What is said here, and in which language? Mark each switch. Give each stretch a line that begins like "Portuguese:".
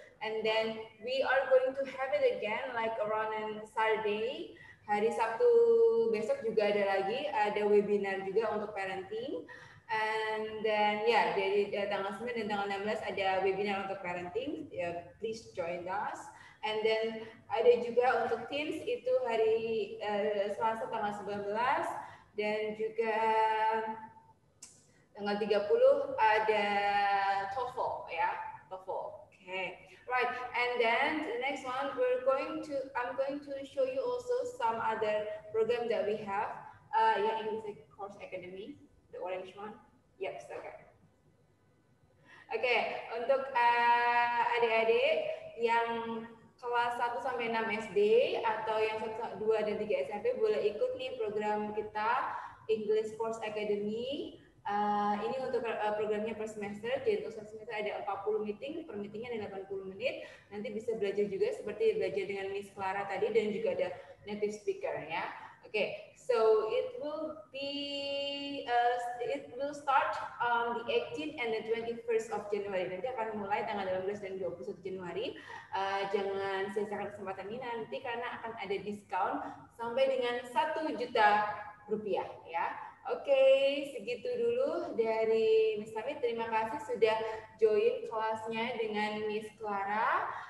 English: And then we are going to have it again, like around on Saturday.
Indonesian: Hari Sabtu besok juga ada lagi, ada webinar juga untuk parenting.
English: And then
Indonesian: yeah, jadi tanggal 9 dan tanggal 16 ada webinar untuk parenting, yeah,
English: please join us.
Indonesian: And then ada juga untuk teens itu hari Selasa tanggal 19 dan juga tanggal 30 ada TOEFL, ya, yeah, TOEFL.
English: Okay, right. And then the next one we're going to, I'm going to show you also some other program that we have, yeah, in the course academy. Orange one, yes,
Indonesian: okay. Okay, untuk adik-adik yang kelas 1 sampai 6 SD atau yang 2 dan 3 SMP boleh ikut nih program kita English Course Academy. Ini untuk programnya per semester, jadi untuk semester ada 40 meeting, per meetingnya ada 80 menit. Nanti bisa belajar juga seperti belajar dengan Miss Clara tadi dan juga ada native speaker ya.
English: Okay, so it will be it will start on the 18th and the 21st of January.
Indonesian: Nanti akan mulai tanggal 18 dan 21 Januari. Jangan sia-siakan kesempatan ini nanti karena akan ada diskon sampai dengan 1 juta rupiah ya. Okay, segitu dulu dari Miss Tammy. Terima kasih sudah join kelasnya dengan Miss Clara.